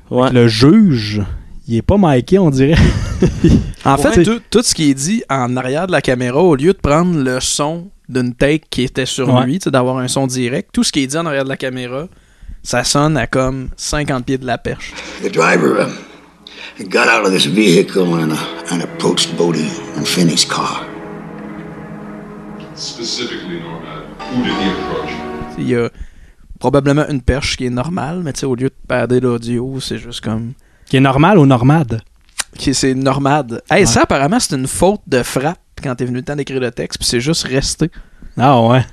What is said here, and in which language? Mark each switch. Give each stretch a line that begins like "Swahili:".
French: Ouais. Le juge, il est pas Mikey, on dirait. tout ce qui est dit en arrière de la caméra, au lieu de prendre le son d'une take qui était sur lui, d'avoir un son direct, tout ce qui est dit en arrière de la caméra, ça sonne à comme 50 pieds de la perche.
English: The driver got out of this vehicle and approached Bodie and Finney's car. Specifically, Normand, who did he approach?
French: Il y a probablement une perche qui est normale, mais tu sais, au lieu de parler l'audio, c'est juste comme. Qui est normale ou normade? C'est normade. Hey, ouais. Ça, apparemment, c'est une faute de frappe quand t'es venu le temps d'écrire le texte, puis c'est juste resté. Ah ouais?